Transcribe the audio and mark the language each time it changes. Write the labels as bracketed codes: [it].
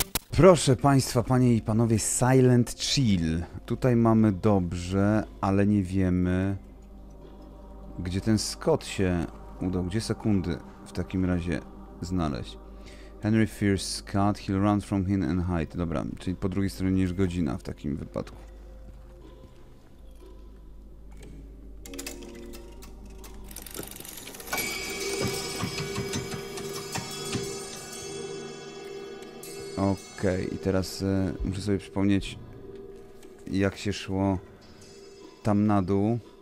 [pl] Proszę Państwa, Panie i Panowie, Silent Chill. Tutaj mamy dobrze, ale nie wiemy, gdzie ten Scott się udał. Gdzie sekundy w takim razie znaleźć? [en] Henry fears Scott, he'll run from him and hide. [pl] Dobra, czyli po drugiej stronie niż godzina w takim wypadku. Okej, i teraz muszę sobie przypomnieć, jak się szło tam na dół.